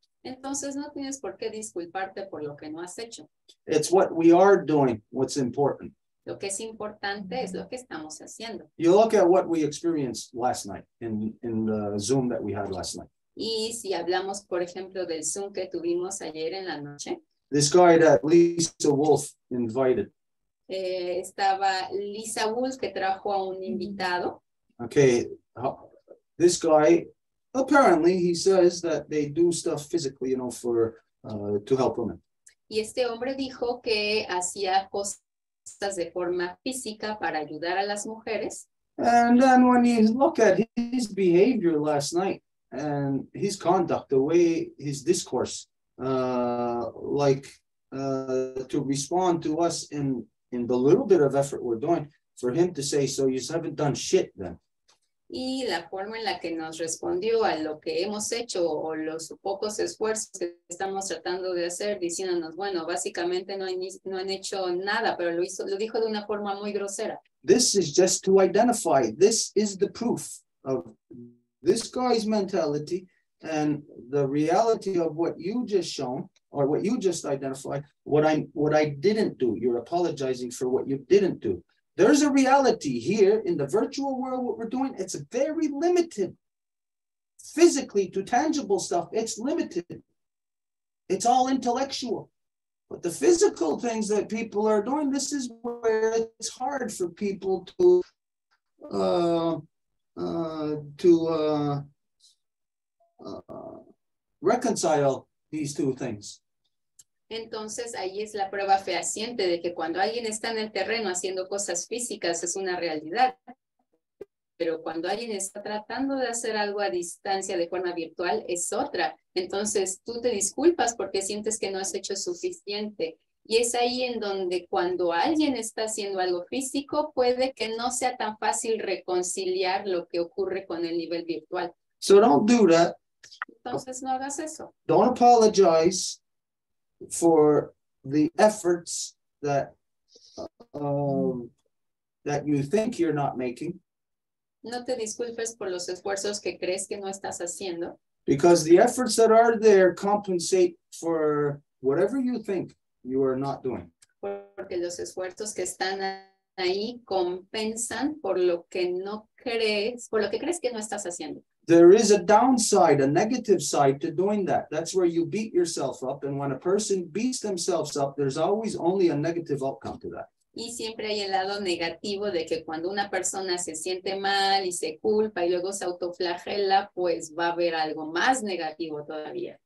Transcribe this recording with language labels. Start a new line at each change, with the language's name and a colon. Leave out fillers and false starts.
Spanish: Entonces no tienes por qué disculparte por lo que no has hecho.
English: It's what we are doing what's important.
Spanish: Lo que es importante es lo que estamos haciendo.
English: You look at what we experienced last night in the Zoom that we had last night.
Spanish: Y si hablamos, por ejemplo, del Zoom que tuvimos ayer en la noche.
English: This guy that Lisa Wolf invited.
Spanish: Estaba Lisa Wolf que trajo a un invitado.
English: Okay, this guy, apparently he says that they do stuff physically, you know, for to help women.
Spanish: Y este hombre dijo que hacía cosas de forma física para ayudar a las mujeres.
English: And then when you look at his behavior last night and his conduct, the way his discourse, to respond to us in the little bit of effort we're doing, for him to say, so you haven't done shit then.
Spanish: Y la forma en la que nos respondió a lo que hemos hecho o los pocos esfuerzos que estamos tratando de hacer, diciéndonos, bueno, básicamente no han hecho nada, pero lo dijo de una forma muy grosera.
English: This is just to identify. This is the proof of this guy's mentality. And the reality of what you just shown, or what you just identified, what I didn't do, you're apologizing for what you didn't do. There's a reality here in the virtual world, what we're doing, it's very limited. Physically to tangible stuff, it's limited. It's all intellectual. But the physical things that people are doing, this is where it's hard for people to reconcile these two things.
Spanish: Entonces ahí es la prueba fehaciente de que cuando alguien está en el terreno haciendo cosas físicas es una realidad, pero cuando alguien está tratando de hacer algo a distancia de forma virtual es otra. Entonces tú te disculpas porque sientes que no has hecho suficiente, y es ahí en donde cuando alguien está haciendo algo físico puede que no sea tan fácil reconciliar lo que ocurre con el nivel virtual.
English: So don't do that.
Spanish: Entonces, no hagas eso.
English: Don't apologize for the efforts that you think you're not making.
Spanish: No te disculpes por los esfuerzos que crees que no estás haciendo.
English: Because the efforts that are there compensate for whatever you think you are not doing.
Spanish: Porque los esfuerzos que están ahí compensan por lo que no crees, por lo que crees que no estás haciendo.
English: There is a downside, a negative side to doing that. That's where you beat yourself up. And when a person beats themselves up, there's always only a negative outcome to that.
Spanish: Y siempre hay el lado negativo de que cuando una persona se siente mal y se culpa y luego se autoflagela, pues va a haber algo más negativo todavía.